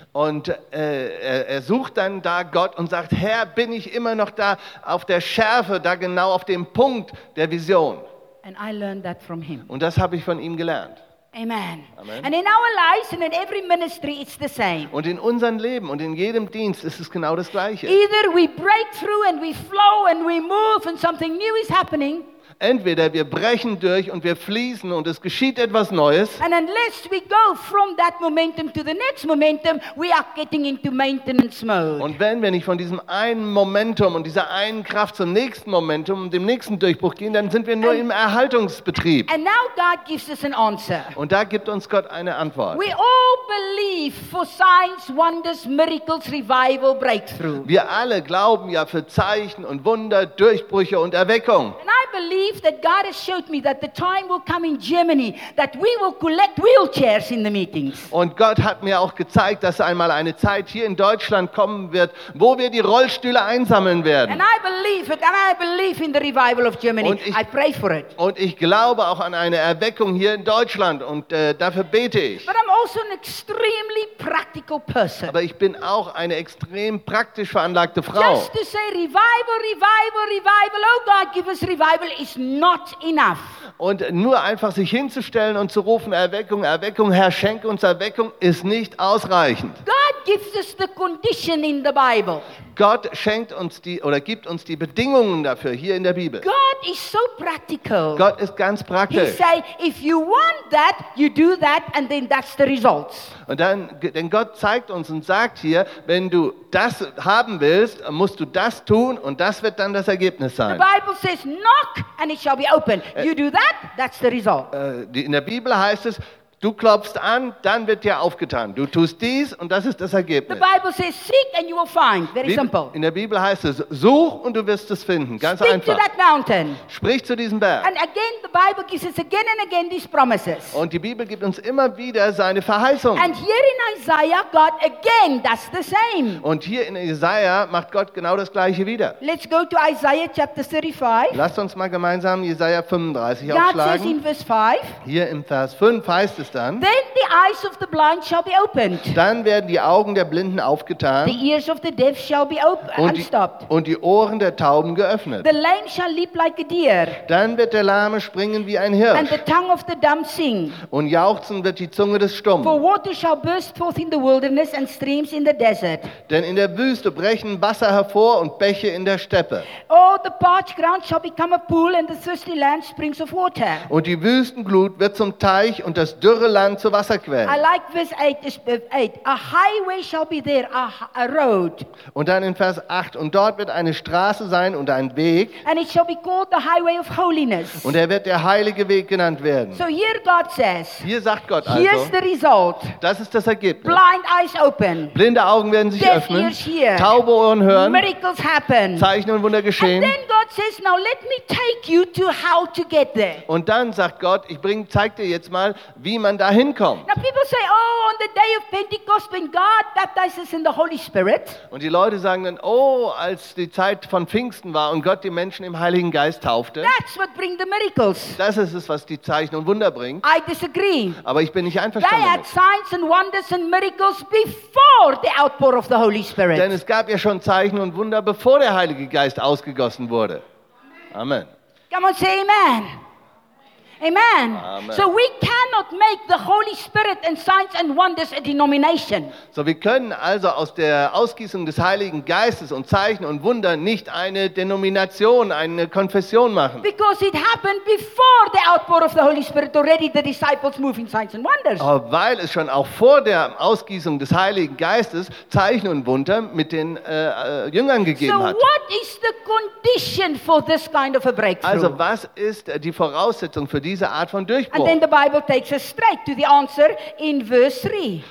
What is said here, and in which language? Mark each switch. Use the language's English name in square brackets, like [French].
[German] Und er sucht dann da Gott und sagt, Herr, bin ich immer noch da auf der Schärfe, da genau auf dem Punkt der Vision? [English] And I learned that from him. [German] Und das habe ich von ihm gelernt. Amen. Amen. [English] And in our lives and in every ministry it's the same. [German] Und in unserem Leben und in jedem Dienst ist es genau das Gleiche. [English] Either we break through and we flow and we move and something new is happening. [German] Entweder wir brechen durch und wir fließen und es geschieht etwas Neues. [English] And unless we go from that momentum to the next momentum, we are getting into maintenance mode. [German] Und wenn wir nicht von diesem einen Momentum und dieser einen Kraft zum nächsten Momentum und dem nächsten Durchbruch gehen, dann sind wir nur im Erhaltungsbetrieb. [English] And now God gives us an answer. [German] Und da gibt uns Gott eine Antwort. [English] We all believe for signs, wonders, miracles, revival, breakthrough. [German] Wir alle glauben ja für Zeichen und Wunder, Durchbrüche und Erweckung. [English] And I believe that God has showed me that the time will come in Germany that we will collect wheelchairs in the meetings. [German] Und Gott hat mir auch gezeigt, dass einmal eine Zeit hier in Deutschland kommen wird, wo wir die Rollstühle einsammeln werden. [English] And I believe it, and I believe in the revival of Germany. I pray for it. [German] Und ich glaube auch an eine Erweckung hier in Deutschland und dafür bete ich. [English] But I'm also an extremely practical person. [German] Aber ich bin auch eine extrem praktisch veranlagte Frau. [English] Just to say revival, revival, revival. Oh God, give us revival. Is not enough. [German] Und nur einfach sich hinzustellen und zu rufen, Erweckung, Erweckung, Herr, schenke uns Erweckung, ist nicht ausreichend. [English] God gives us the condition in the Bible. [German] Gott schenkt uns die oder gibt uns die Bedingungen dafür hier in der Bibel. [English] God is so practical. [German] Gott ist ganz praktisch. [English] He says, if you want that, you do that, and then that's the results. [German] Und dann, denn Gott zeigt uns und sagt hier, wenn du das haben willst, musst du das tun, und das wird dann das Ergebnis sein. [English] The Bible says, knock and it shall be open. You do that, that's the result. [German] In der Bibel heißt es, du klopfst an, dann wird dir aufgetan. Du tust dies und das ist das Ergebnis. [English] The Bible says, seek and you will find. Very simple. [German] In der Bibel heißt es, such und du wirst es finden. Ganz [English] Speak [German] einfach. [English] To that mountain. [German] Sprich zu diesem Berg. [English] And again, the Bible gives us again and again these promises. [German] Und die Bibel gibt uns immer wieder seine Verheißung. [English] And here in Isaiah, God again does the same. [German] Und hier in Isaiah macht Gott genau das Gleiche wieder. [English] Let's go to Isaiah chapter 35. [German] Lasst uns mal gemeinsam Isaiah 35 aufschlagen. [English] God says in verse 5. [German] Hier im Vers 5 heißt es, heißt dann, [English] then the eyes of the blind shall be opened. [German] Dann werden die Augen der Blinden aufgetan, [English] the ears of the deaf shall be unstopped. [German] Und die Ohren der Tauben geöffnet. [English] The lame shall leap like a deer. [German] Dann wird der Lahme springen wie ein Hirsch. [English] And the tongue of the dumb sing. [German] Und jauchzen wird die Zunge des Stummen. [English] For water shall burst forth in the wilderness and streams in the desert. [German] Denn in der Wüste brechen Wasser hervor und Bäche in der Steppe. [English] Oh, the parched ground shall become a pool and the thirsty land springs of water. [German] Und die Wüstenglut wird zum Teich und das dürre Land zur Wasserquelle. [English] I like verse 8. A highway shall be there, a road. [German] Und dann in Vers 8. Und dort wird eine Straße sein und ein Weg. [English] And it shall be called the highway of holiness. [German] Und er wird der heilige Weg genannt werden. [English] So here God says, [German] hier sagt Gott also, [English] here's the result. [German] Das ist das Ergebnis. [English] Blind eyes open. [German] Blinde Augen werden sich [English] deaf [German] öffnen. [English] Ears hear. [German] Taube Ohren hören. [English] Miracles happen. [German] Zeichen und Wunder geschehen. [English] And then God says, now let me take you to how to get there. [German] Und dann sagt Gott, zeig dir jetzt mal, wie man da hinkommt. [English] Now people say, oh, on the day of Pentecost, when God baptized us in the Holy Spirit. [German] Und die Leute sagen dann, oh, als die Zeit von Pfingsten war und Gott die Menschen im Heiligen Geist taufte. [English] That's what bring the miracles. [German] Das ist es, was die Zeichen und Wunder bringt. [English] I disagree. [German] Aber ich bin nicht einverstanden. [English] They had signs and wonders and miracles before the outpour of the Holy Spirit. [German] Denn es gab ja schon Zeichen und Wunder, bevor der Heilige Geist ausgegossen wurde. Amen. [English] Come on, say amen. Amen. Amen. So we cannot make the Holy Spirit and signs and wonders a denomination. [German] So wir können also aus der Ausgießung des Heiligen Geistes und Zeichen und Wunder nicht eine Denomination, eine Konfession machen. [English] Because it happened before the outpour of the Holy Spirit already the disciples moved in signs and wonders. [German] Oh, weil es schon auch vor der Ausgießung des Heiligen Geistes Zeichen und Wunder mit den Jüngern gegeben hat. [English] So what is the condition for this kind of a breakthrough? [German] Also was ist die Voraussetzung für diese Art von Durchbruch? [English] And then the Bible takes us straight to the answer in verse 3.